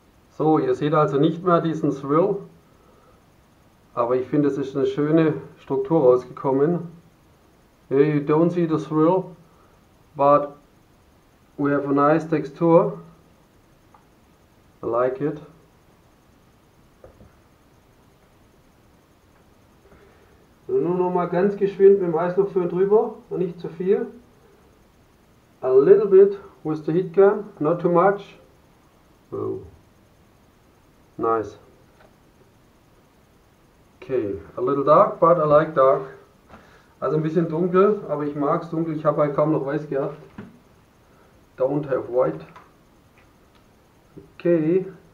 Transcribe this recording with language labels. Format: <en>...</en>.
<de>So, ihr seht also nicht mehr diesen Swirl, aber ich finde, es ist eine schöne Struktur rausgekommen.</de> <en>You don't see the swirl, but we have a nice texture. I like it.</en> <de>Also nur noch mal ganz geschwind mit dem Heißluftföhn drüber, nicht zu viel.</de> <en>A little bit with the heat gun, not too much. Oh. Nice. Okay, a little dark, but I like dark.</en> <de>Also ein bisschen dunkel, aber ich mag es dunkel. Ich habe halt kaum noch weiß gehabt.</de> <en>Don't have white.</en> <de>Okay.</de>